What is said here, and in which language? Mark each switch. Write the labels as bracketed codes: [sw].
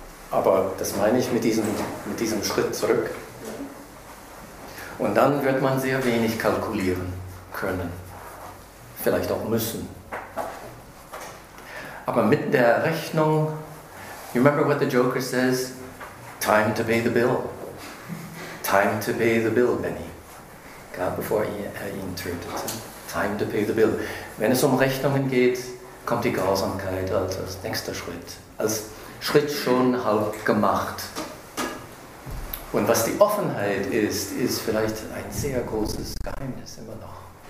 [de] Aber das meine ich mit diesem Schritt zurück. Und dann wird man sehr wenig kalkulieren können. Vielleicht auch müssen. Aber mit der Rechnung, [en] you remember what the Joker says? Time to pay the bill. Time to pay the bill, Benny. [de] Gerade bevor er ihn tötet. [en] Time to pay the bill. [de] Wenn es um Rechnungen geht, kommt die Grausamkeit als nächster Schritt. Als Schritt schon halb gemacht. Und was die Offenheit ist, ist vielleicht ein sehr großes Geheimnis immer noch.